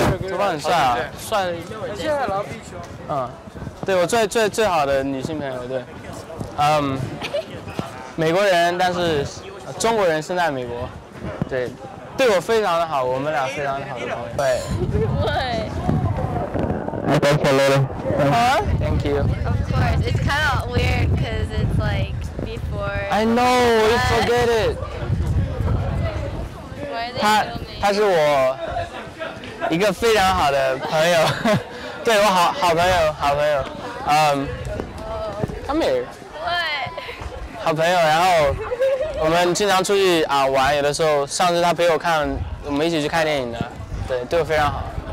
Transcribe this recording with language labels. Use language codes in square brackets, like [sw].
[zh] 头发很帅啊，帅。现在老比丘。对，我最好的女性朋友，对，美国人，但是中国人生在美国，对。对我非常的好，我们俩非常的好的朋友。对。对。 [en] Thank you, Lily. Thank you. Of course, it's kind of weird because it's like before. I know, you forget it. [zh] 他是我一个非常好的朋友，对我好朋友。 [en] Come here. What? [zh] 好朋友，然后。我们经常出去啊玩，有的时候上次他陪我看，我们一起去看电影的，对，对我非常好。